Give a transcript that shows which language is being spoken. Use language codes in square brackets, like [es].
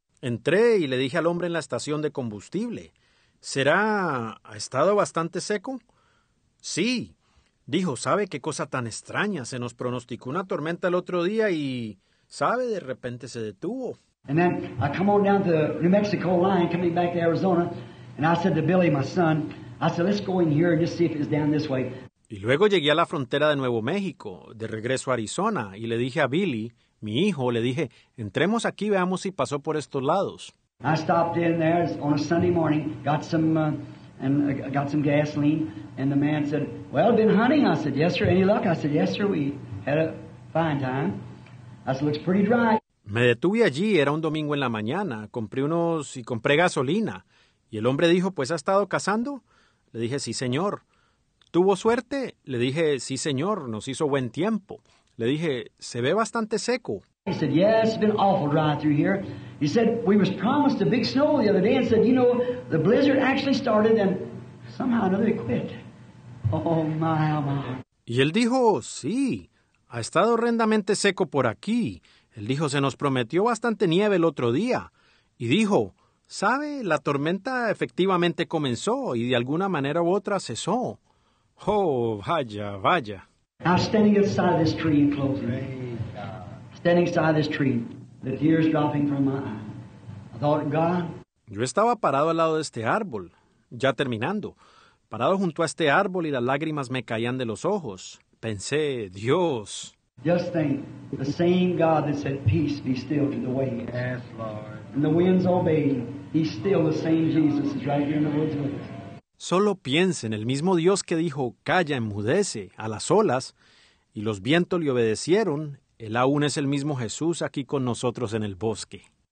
[es] Entré y le dije al hombre en la estación de combustible, ¿será, ha estado bastante seco? Sí. Dijo, ¿sabe qué cosa tan extraña? Se nos pronosticó una tormenta el otro día y, ¿sabe? De repente se detuvo. [en] And then I come on down to the New Mexico line, coming back to Arizona, and I said to Billy, my son, I said, let's go in here and just see if it's down this way. [es] Y luego llegué a la frontera de Nuevo México, de regreso a Arizona, y le dije a Billy, mi hijo, le dije, entremos aquí, veamos si pasó por estos lados. [en] I stopped in there on a Sunday morning, got some gasoline, and the man said, "Well, been hunting?" I said, "Yes, sir." "Any luck?" I said, "Yes, sir. We had a fine time." I said, "Looks pretty dry." [es] Me detuve allí. Era un domingo en la mañana. Compré gasolina. Y el hombre dijo, "¿Pues ha estado cazando?" Le dije, "Sí, señor." "¿Tuvo suerte?" Le dije, "Sí, señor. Nos hizo buen tiempo." Le dije, "Se ve bastante seco." [en] He said, "Yes, it's been awful dry through here." He said, "We was promised a big snow the other day," and said, "You know, the blizzard actually started and somehow or another it quit." Oh, my, oh, my. [es] Y él dijo, "Sí, ha estado horrendamente seco por aquí." Él dijo, "Se nos prometió bastante nieve el otro día." Y dijo, "¿Sabe? La tormenta efectivamente comenzó y de alguna manera u otra cesó." Oh, vaya, vaya. [en] I was standing outside of this tree and closing. Standing beside this tree, the tears dropping from my eyes. I thought, God. [es] Yo estaba parado al lado de este árbol, ya terminando. Parado junto a este árbol y las lágrimas me caían de los ojos. Pensé, Dios. [en] Just think, the same God that said, peace be still to the waves. Yes, Lord. And the winds obey, he's still the same Jesus is right here in the woods with us. [es] Solo piense en el mismo Dios que dijo, calla, enmudece, a las olas, y los vientos le obedecieron, él aún es el mismo Jesús aquí con nosotros en el bosque.